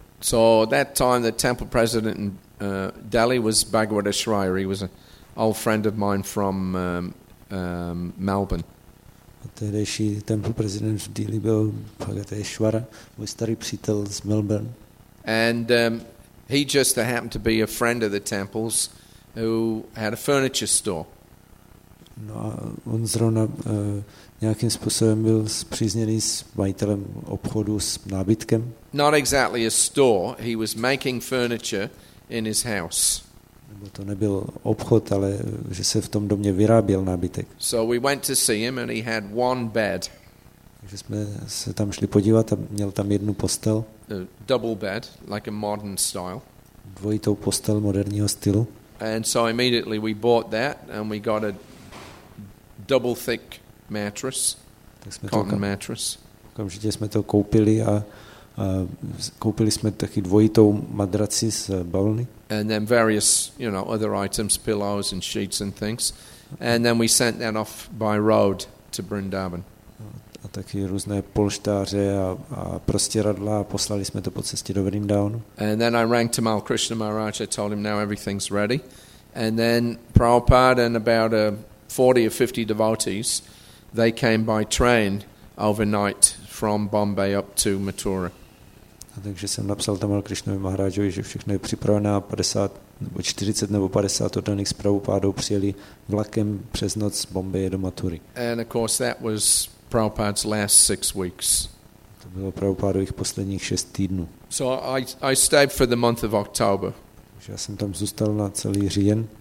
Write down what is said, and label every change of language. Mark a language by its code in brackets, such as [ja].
[en] So that time the temple president in Delhi was Bhagavata Shriyari. He was an old friend of mine from Melbourne. [cs] A tehdejší temple president v Delhi byl Bhagavata Shriyari, můj starý přítel z Melbourne. [en] And he just happened to be a friend of the temples who had a furniture store. [cs] No a on zrovna nějakým způsobem byl spřízněný s majitelem obchodu s nábytkem. [en] Not exactly a store, he was making furniture in his house. [cs] Nebo to nebyl obchod, ale že se v tom domě vyráběl nábytek. [en] So we went to see him and he had one bed. [cs] Takže jsme se tam šli podívat a měl tam jednu postel. [en] A double bed, like a modern style. [cs] Dvojitou postel moderního stylu. [en] And so immediately we bought that and we got a double thick mattress, cotton mattress. [cs] Okamžitě jsme to koupili a koupili jsme taky dvojitou madraci z bavlny. [en] And then various, you know, other items, pillows and sheets and things. And then we sent that off by road to Vrindavan. [cs] A taky různé polštáře a prostěradla a poslali jsme to po cestě do Vrindavanu. [en] And then I rang to Mal Krishna Maharaj. I told him now everything's ready. And then Prabhupada and about 40 or 50 devotees, they came by train overnight from Bombay up to Mathura. [cs] A takže jsem napsal Tamal Krishnovi Maharajovi, že všechno je připravené a 50 nebo 40 nebo 50 oddaných z Prabhupádou přijeli vlakem přes noc z Bombaje do Mathury. [en] And of course that was Prabhupada's last 6 weeks. [cs] To bylo Prabhupádových posledních 6 týdnů. [en] So I stayed for the month of October. [cs] Takže já jsem tam zůstal na celý říjen.